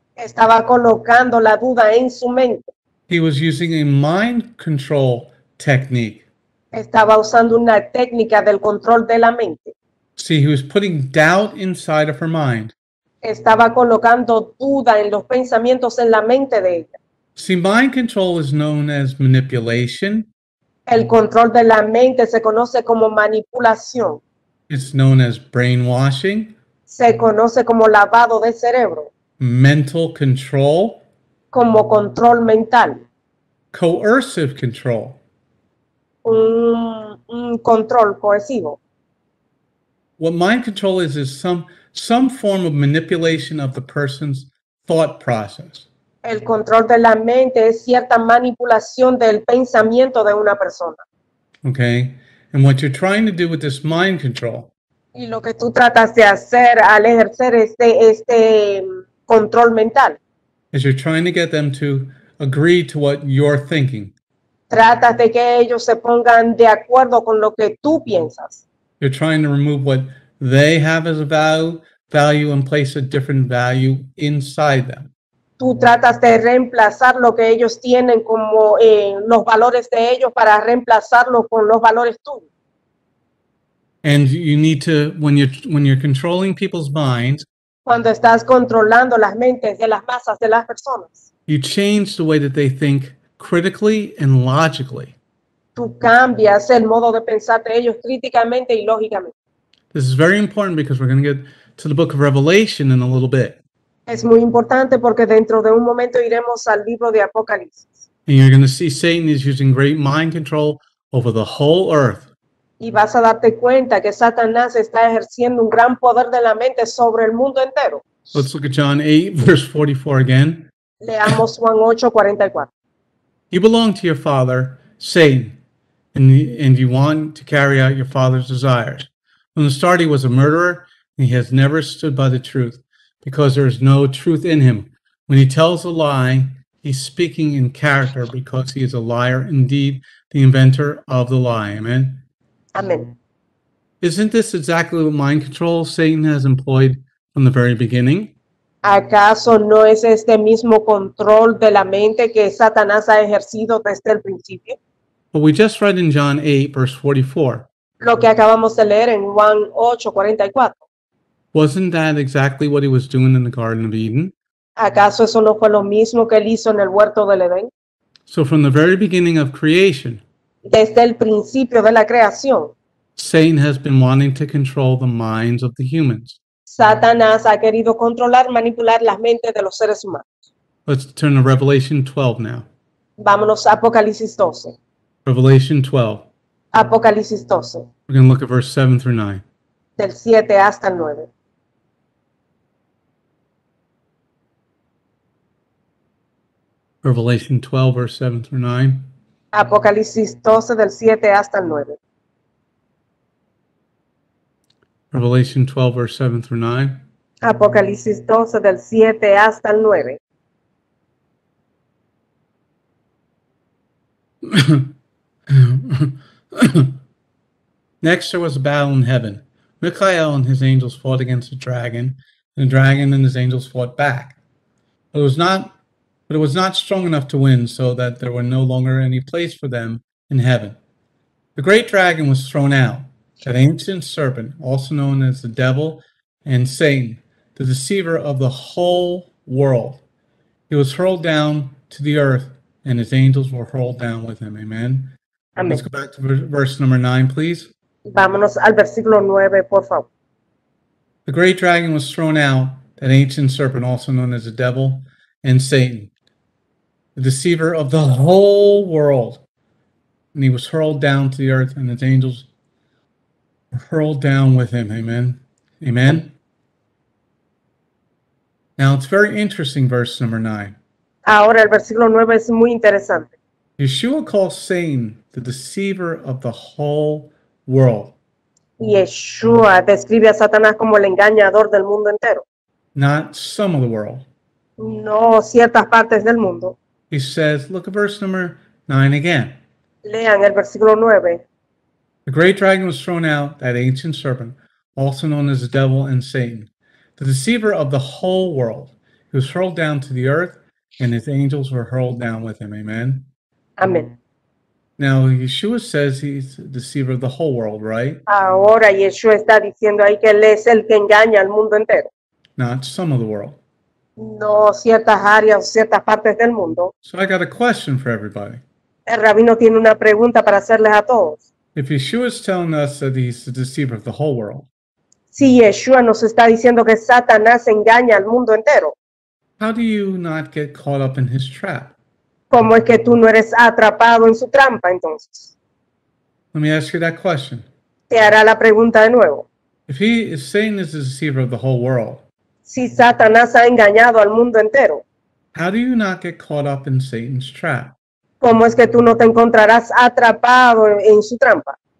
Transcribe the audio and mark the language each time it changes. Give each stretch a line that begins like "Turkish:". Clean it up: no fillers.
Spanish: Estaba colocando la duda en su mente.
English: He was using a mind control technique.
Spanish: Estaba usando una técnica del control de la mente.
English: See, he was putting doubt inside of her mind.
Spanish: Estaba colocando duda en los pensamientos en la mente de ella.
English: See, mind control is known as manipulation.
Spanish: El control de la mente se conoce como manipulación.
English: It's known as brainwashing.
Spanish: Se conoce como lavado de cerebro.
English: Mental control.
Spanish: Como control mental.
English: Coercive control.
Spanish: Un control coercivo.
English: What mind control is some form of manipulation of the person's thought process.
Spanish: El control de la mente es cierta manipulación del pensamiento de una persona.
English: Okay. And what you're trying to do with this mind control,
Spanish: y lo que tú tratas de hacer al ejercer este control mental,
English: is you're trying to get them to agree to what you're thinking.
Spanish: Tratas de que ellos se pongan de acuerdo con lo que tú piensas.
English: You're trying to remove what they have as a value and place a different value inside them.
Spanish: Tú tratas de reemplazar lo que ellos tienen como los valores de ellos para reemplazarlo con los valores tú.
English: And you need to, when you're controlling people's minds,
Spanish: cuando estás controlando las mentes de las masas de las personas,
English: you change the way that they think critically and logically.
Spanish: Tú cambias el modo de pensar de ellos críticamente y lógicamente.
English: This is very important because we're going to get to the book of Revelation in a little bit.
Spanish: Es muy importante porque dentro de un momento iremos al libro de Apocalipsis.
English: And you're going to see Satan is using great mind control over the whole earth.
Spanish: Y vas a darte cuenta que Satanás está ejerciendo un gran poder de la mente sobre el mundo entero.
English: Let's look at John 8, verse 44 again.
Spanish: Leamos Juan 8, 44.
English: You belong to your father, Satan, and you want to carry out your father's desires. From the start, he was a murderer, and he has never stood by the truth. Because there is no truth in him. When he tells a lie, he's speaking in character because he is a liar, indeed, the inventor of the lie. Amen? Amen. Isn't this exactly what mind control Satan has employed from the very beginning?
Spanish: ¿Acaso no es este mismo control de la mente que Satanás ha ejercido desde el principio?
English: Well, we just read in John 8, verse 44.
Spanish: Lo que acabamos de leer en Juan 8, 44.
English: Wasn't that exactly what he was doing in the Garden of Eden?
Spanish: ¿Acaso eso no fue lo mismo que él hizo en el huerto del Edén?
English: So from the very beginning of creation,
Spanish: desde el principio de la creación,
English: Satan has been wanting to control the minds of the humans.
Spanish: Satanás ha querido controlar, manipular las mentes de los seres humanos.
English: Let's turn to Revelation 12 now.
Spanish: Vámonos a Apocalipsis 12.
English: Revelation 12.
Spanish: Apocalipsis 12.
English: We're going to look at verse 7 through 9.
Spanish: Del 7 hasta el 9.
English: Revelation 12, verse 7 through 9.
Spanish: Apocalipsis 12, del 7 hasta el 9.
English: Revelation 12, verse 7 through 9.
Spanish: Apocalipsis 12, del 7 hasta el 9.
English: Next, there was a battle in heaven. Michael and his angels fought against the dragon, and the dragon and his angels fought back. But it was not strong enough to win, so that there were no longer any place for them in heaven. The great dragon was thrown out, that ancient serpent, also known as the devil and Satan, the deceiver of the whole world. He was hurled down to the earth, and his angels were hurled down with him. Amen. Amen. Let's go back to verse number 9, please.
Spanish: Vámonos al versículo 9, por favor.
English: The great dragon was thrown out, that ancient serpent, also known as the devil and Satan, the deceiver of the whole world. And he was hurled down to the earth, and his angels were hurled down with him. Amen. Amen. Now, it's very interesting, verse number 9.
Spanish: Ahora, el versículo 9 es muy interesante.
English: Yeshua calls Satan the deceiver of the whole world.
Spanish: Yeshua describe a Satanás como el engañador del mundo entero.
English: Not some of the world.
Spanish: No ciertas partes del mundo.
English: He says, look at verse number 9 again.
Spanish: Lean el versículo 9.
English: The great dragon was thrown out, that ancient serpent, also known as the devil and Satan, the deceiver of the whole world, who was hurled down to the earth, and his angels were hurled down with him. Amen. Amen. Now, Yeshua says he's the deceiver of the whole world, right?
Spanish: Ahora, Yeshua está diciendo ahí que él es el que engaña al mundo entero.
English: Not some of the world.
Spanish: No ciertas áreas, ciertas partes del mundo.
English: So I got a question for everybody.
Spanish: El rabino tiene una pregunta para hacerles a todos.
English: If Yeshua is telling us that he's the deceiver of the whole world,
Spanish: si Yeshua nos está diciendo que Satanás engaña al mundo entero,
English: how do you not get caught up in his trap?
Spanish: ¿Cómo es que tú no eres atrapado en su trampa, entonces?
English: Let me ask you that question.
Spanish: Te hará la pregunta de nuevo.
English: If Satan is the deceiver of the whole world,
Spanish: si Satanás ha engañado al mundo entero,
English: how do you not get caught up in Satan's trap?
Spanish: ¿Cómo es que tú no te encontrarás atrapado en su trampa?